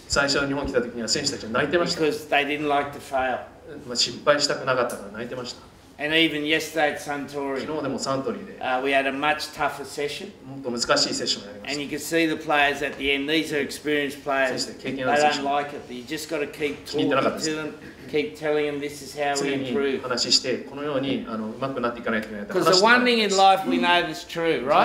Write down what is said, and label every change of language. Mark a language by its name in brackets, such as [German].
[Japanese] 最初日本来た時には選手たちは泣いてました。 [English] Because they didn't like to fail. [Japanese] 失敗したくなかったから泣いてました。 [English] And even yesterday at Suntory, [Japanese] 昨日でもサントリーで、 [English] we had a much tougher session. [Japanese] もっと難しいセッションがありました。 [English] And you can see the players at the end. These are experienced players. They don't like it, but you just got to keep talking to them. Keep telling them this is how we improve. [Japanese] 次に話してこのようにあの上手くなっていかないといけない。 [English] Because the one thing in life we know is true, right?